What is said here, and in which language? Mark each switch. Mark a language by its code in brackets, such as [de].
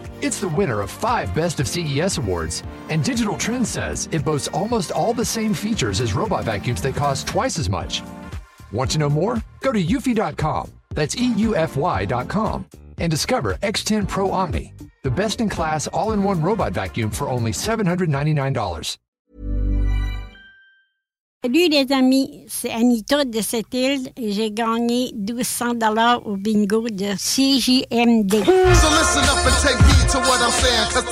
[en] It's the winner of 5 Best of CES awards, and Digital Trends says it boasts almost all the same features as robot vacuums that cost twice as much. Want to know more? Go to eufy.com, that's EUFY.com, and discover X10 Pro Omni, the best-in-class all-in-one robot vacuum for only $799. [fr] Salut les amis, c'est Anita de cette île et j'ai gagné $1,200 au bingo de CJMD. [en] So listen up and take heed to what I'm saying, cause